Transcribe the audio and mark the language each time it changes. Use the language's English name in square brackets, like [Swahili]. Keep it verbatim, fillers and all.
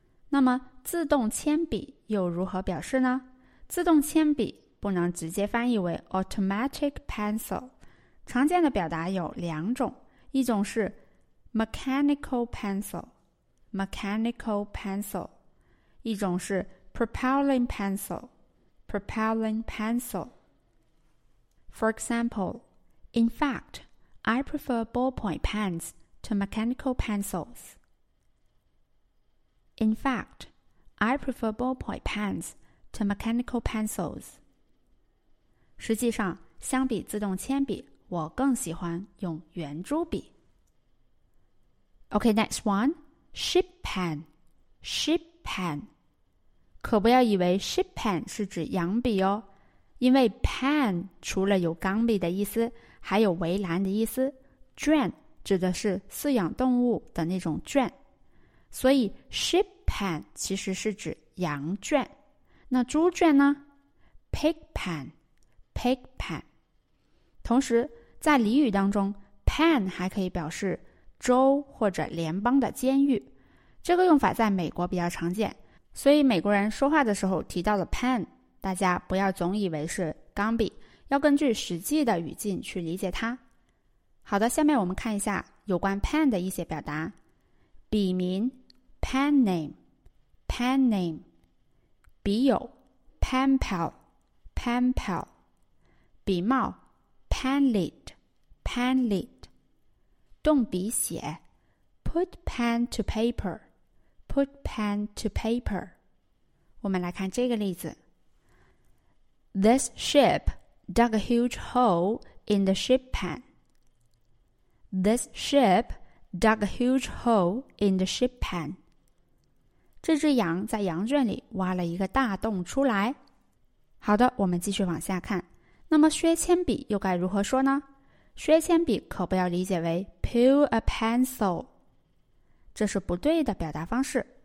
[Chinese] 那么自动铅笔又如何表示呢？自动铅笔不能直接翻译为 automatic pencil， 常见的表达有两种，一种是 mechanical pencil， mechanical pencil， 一种是 propelling pencil， propelling pencil。 [English] For example, in fact,I prefer ballpoint pens to mechanical pencils. In fact, I prefer ballpoint pens to mechanical pencils. [Chinese] 实际上，相比自动铅笔，我更喜欢用圆珠笔。 [English] Okay, next one, sheep pen. Sheep pen. [Chinese] 可不要以为 sheep pen 是指羊笔哦，因为 pen 除了有钢笔的意思，还有围栏的意思，圈指的是饲养动物的那种圈，所以 sheep pen 其实是指羊圈。那猪圈呢？ pig pen， pig pen。同时在俚语当中， pen 还可以表示州或者联邦的监狱，这个用法在美国比较常见，所以美国人说话的时候提到了 pen， 大家不要总以为是钢笔，要根据实际的语境去理解它。好的，下面我们看一下有关 pen 的一些表达。笔名 pen name， pen name， 笔友 pen pal， pen pal， 笔帽 pen lid， pen lid， 动笔写 [English] put pen to paper， put pen to paper。 [Chinese] 我们来看这个例子。 [English] This ship dug a huge hole in the sheep pen. This sheep dug a huge hole in the sheep pen. [Chinese] 这只羊在羊圈里挖了一个大洞出来。好的，我们继续往下看。那么削铅笔又该如何说呢？削铅笔可不要理解为 peel a pencil， 这是不对的表达方式。